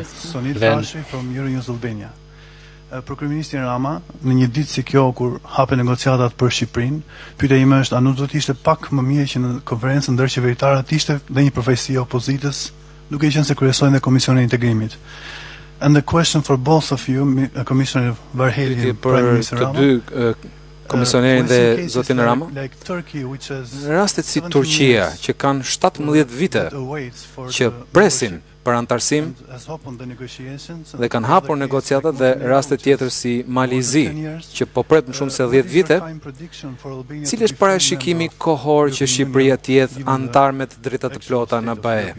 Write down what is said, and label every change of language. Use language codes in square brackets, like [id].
[en] Sonit Vashi from Euronews Albania. [sq] Kryeministri Rama, në një ditë si kjo kur hapen negociatat për Shqipërinë, pyetja ime është a nuk do të ishte pak më mirë që në konferencën ndërqeveritare të ishte dhe një përfaqësi e opozitës, duke qenë se kryesojnë dhe Komisioni I Integrimit. [en] And the question for both of you, Commissioner Varhelyi and Prime Minister Rama. [sq] Komisioneri dhe zotin Rama, në rastet si Turqia, që kanë 17 vite që presin për antarësim dhe kanë hapur negociatat dhe rastet tjetër si Malizi, që po pret më shumë se 10 vite, cilë është parashikimi kohor që Shqipëria të jetë antar me të drejtat të plota në BE?